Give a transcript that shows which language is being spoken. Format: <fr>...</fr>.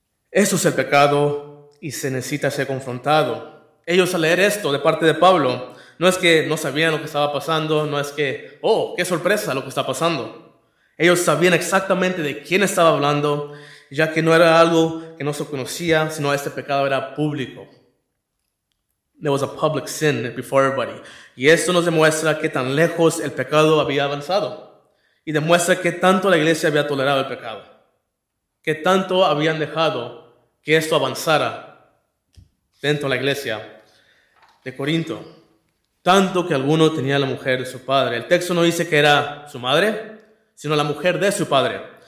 <es>Eso es el pecado y se necesita ser confrontado. Ellos al leer esto de parte de Pablo, no es que no sabían lo que estaba pasando, no es que, oh, qué sorpresa lo que está pasando. Ellos sabían exactamente de quién estaba hablando, ya que no era algo que no se conocía, sino este pecado era público.</es> <en>There was a public sin before everybody.</en> <es>Y esto nos demuestra qué tan lejos el pecado había avanzado. Y demuestra qué tanto la iglesia había tolerado el pecado. Qué tanto habían dejado que esto avanzara dentro de la iglesia de Corinto. Tanto que alguno tenía la mujer de su padre. El texto no dice que era su madre, sino la mujer de su padre.</es>